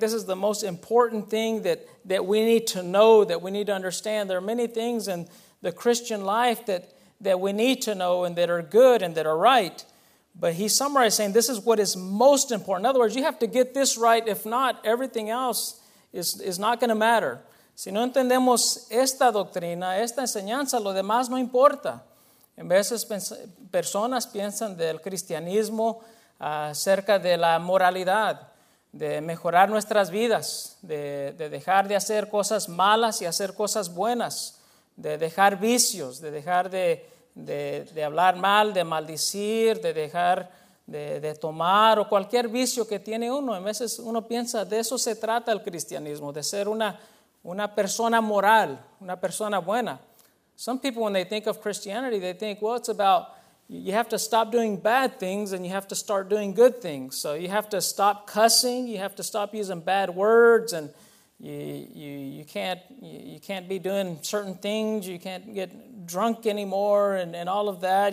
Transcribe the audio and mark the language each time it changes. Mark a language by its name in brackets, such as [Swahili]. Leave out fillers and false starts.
[English] This is the most important thing that we need to know, that we need to understand. There are many things in the Christian life that we need to know and that are good and that are right. But he summarized saying this is what is most important. In other words, you have to get this right. If not, everything else is not going to matter. [Spanish] Si no entendemos esta doctrina, esta enseñanza, lo demás no importa. En veces personas piensan del cristianismo acerca de la moralidad, de mejorar nuestras vidas, de dejar de hacer cosas malas y hacer cosas buenas, de dejar vicios, de dejar de hablar mal, de maldecir, de dejar de tomar o cualquier vicio que tiene uno. En veces uno piensa, de eso se trata el cristianismo, de ser una persona moral, una persona buena. [English] Some people, when they think of Christianity, they think, well, it's about you have to stop doing bad things and you have to start doing good things. So you have to stop cussing, you have to stop using bad words, and you can't be doing certain things, you can't get drunk anymore and all of that.